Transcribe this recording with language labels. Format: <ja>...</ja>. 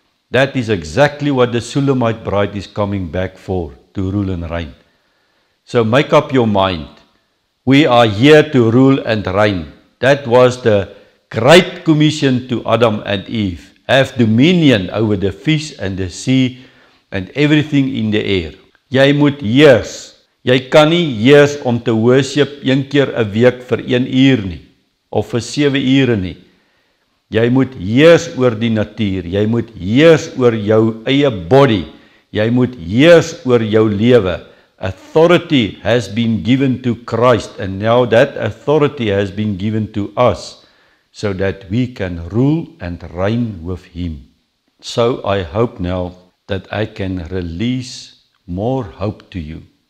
<en>That is exactly what the Shulamite bride is coming back for, to rule and reign. So make up your mind. We are here to rule and reign. That was the great commission to Adam and Eve. Have dominion over the fish and the sea and everything in the air.</en> <af>Jy moet heers. Jy kan nie heers om te worship 1 keer 'n week vir 1 uur nie. Of vir 7 ure nie. Jy moet heers oor die natuur. Jy moet heers oor jou eie body. Jy moet heers oor jou lewe.</af> <en>Authority has been given to Christ, and now that authority has been given to us so that we can rule and reign with Him. So I hope now that I can release more hope to you.</en>